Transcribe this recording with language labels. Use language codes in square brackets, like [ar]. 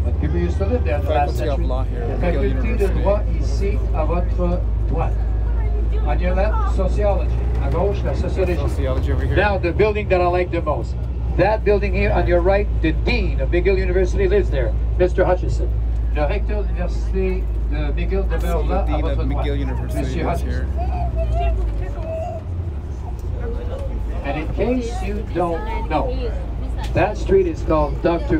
[en] But people used to live there in the last century. Faculty of Law here. [fr] Faculty de droit ici à votre droite. [en] On your left, sociology. [fr] À gauche, la sociologie. [en] Sociology over here. Now, the building that I like the most. That building here on your right, the dean of McGill University lives there, Mr. Hutchison. [fr] Le recteur de l'Université de McGill demeure là à votre droite. [en] McGill University, Mr. Hutchison. And in case you don't know, that street is called Dr.